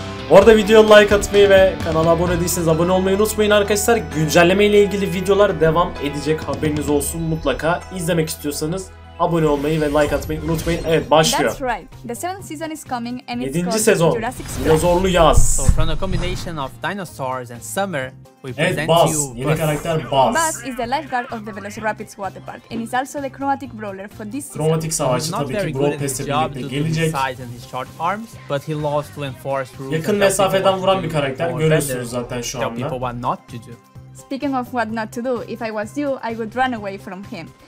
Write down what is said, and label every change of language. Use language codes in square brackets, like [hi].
[tr] Orada videoya like atmayı ve kanala abone değilseniz abone olmayı unutmayın arkadaşlar. Güncelleme ile ilgili videolar devam edecek, haberiniz olsun. Mutlaka izlemek istiyorsanız abone olmayı ve like atmayı unutmayın. Evet, başlıyor. [en] That's right. The seventh season is coming and it's [tr] 7. sezon. Dinozorlu yaz. [en] So from the combination of dinosaurs and summer, we present Buzz. [tr] You yeni karakter Buzz. [en] Buzz is the lifeguard of the Velociraptor's water park and is also the chromatic brawler for this season. [tr] Kromatik savaşçı tabii ki Brawl Pass'te birlikte gelecek. [en] Short arms, but he loves to enforce rules. [tr] Yakın mesafeden vuran bir karakter, görüyorsunuz zaten şu anda. [en] Speaking of what not to do, if I was you, I would run away from him.